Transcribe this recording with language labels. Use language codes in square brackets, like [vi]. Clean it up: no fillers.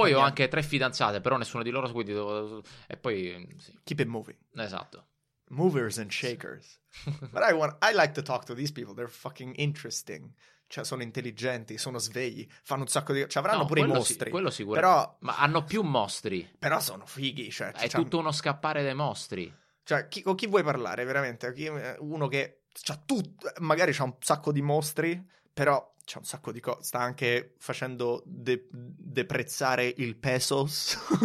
[it] Poi ho anche tre fidanzate, però nessuno di loro, quindi e poi sì. [en] Keep it moving. [it] Esatto. [en] Movers and shakers. But I like to talk to these people, they're fucking interesting. [it] Cioè sono intelligenti, sono svegli, fanno un sacco di cioè, avranno no, pure i mostri. Sì, quello sicuro. Però ma hanno più mostri. Però sono fighi, cioè, è tutto uno scappare dai mostri. Cioè con chi vuoi parlare veramente? Uno che c'ha tutto, magari c'ha un sacco di mostri, però c'è un sacco di cose. Sta anche facendo deprezzare il pesos.